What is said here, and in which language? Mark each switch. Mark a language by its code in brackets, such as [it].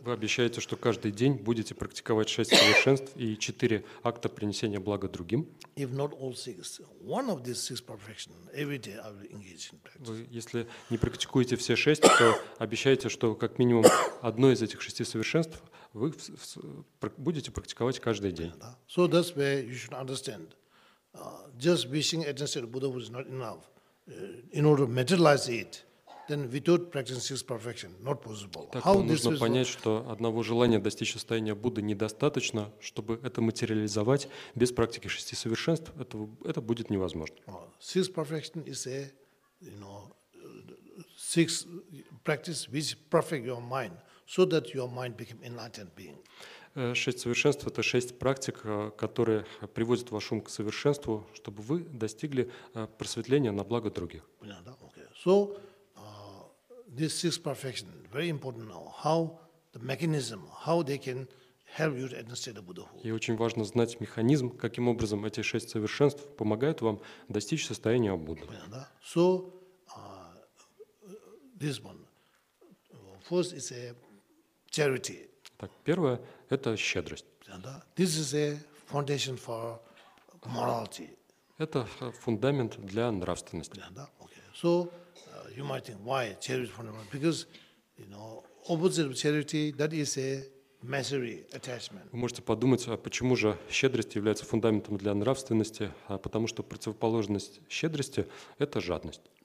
[ru] Вы обещаете, что каждый день будете практиковать шесть совершенств и четыре акта принесения блага другим. [en] If not all six, one of these six perfection every day I will engage in practice. [ru] Вы, если не практикуете все шесть, то обещаете, что как минимум одно из этих шести совершенств вы будете практиковать каждый день. [en] Yeah, да. So that's where you should understand. Just wishing at the state of Buddha was not enough. In order to materialize it, then without practicing six perfection, not possible. [ru] Так, how нужно this понять, was... что одного желания достичь состояния Будды недостаточно, чтобы это материализовать без практики шести совершенств, это будет невозможно. [en] Six perfection is a, you know, six practice which perfect your mind, so that your mind become enlightened being. [ru] Шесть совершенств – это шесть практик, которые приводят ваш ум к совершенству, чтобы вы достигли просветления на благо других. Понятно, да? Okay. [en] So, these six perfections, very important now, how the mechanism, how they can help you to understand the Buddhahood. [ru] И очень важно знать механизм, каким образом эти шесть совершенств помогают вам достичь состояния Будды. Понятно, да? [en] So, this one. First is a charity. [ru] Так, первое – это щедрость. [en] This is a foundation for morality. [ru] Это фундамент для нравственности. [en] Okay. So, you might think, why charity is fundamental? Because, you know, opposite of charity, that is a misery attachment. [ru] Вы можете подумать, а почему же щедрость является фундаментом для нравственности? А потому что противоположность щедрости – это жадность.